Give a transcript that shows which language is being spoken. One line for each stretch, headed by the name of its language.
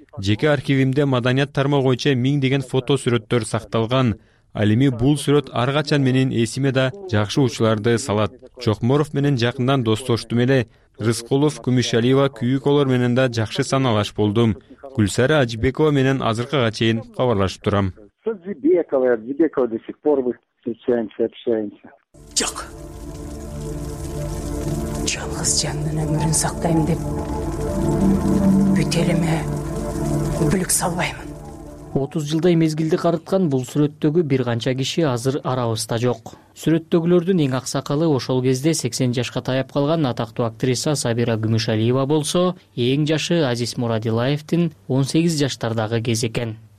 Kyrgyz: Жеке архивимде маданият тармагы боюнча миң деген фотосүрөттөр сакталган. Ал эми бул сүрөт ар качан менин эсиме да жакшы учуларды салат. Чокморов менен жакындан достоштум эле. Рыскулов, Күмүшалиева, Күйүколор менен да жакшы саналаш болдум. Гүлсара Ажибекова менен азыркыга чейин кабарлашып турам.
Russian: Ажибекова до сих пор общаемся.
Kyrgyz: Жок. Жалгыз жандын өмүрүн сактайм деп бүт элеме бүлүк салбаймын. 30 жылдай мезгилди карыткан бул сүрөттөгү бир канча киши азыр арабызда жок. Сүрөттөгүлөрдүн эң аксакалы ошол кезде 80 жашка таяп калган атактуу актриса Сабира Күмүшалиева болсо, эң жашы Азиз Мурадилаевдин 18 жаштардагы кез экен.